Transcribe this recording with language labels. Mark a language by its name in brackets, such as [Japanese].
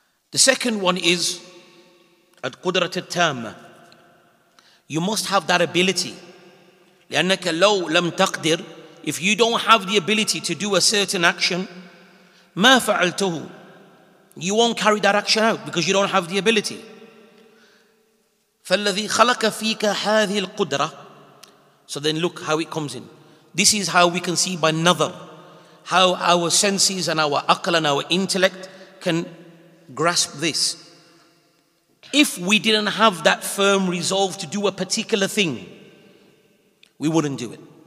[English] The second one is [Arabic] القدرة التامة. [English] You must have that ability. [Arabic] لأنك لو لم تقدر, [English] if you don't have the ability to do a certain action, [Arabic] ما فعلته, [English] you won't carry that action out because you don't have the ability. [Arabic] فالذي خلق فيك هذه القدرة. [English] So then look how it comes in. This is how we can see by nadhar, how our senses and our aql and our intellect can grasp this. If we didn't have that firm resolve to do a particular thing, we wouldn't do it.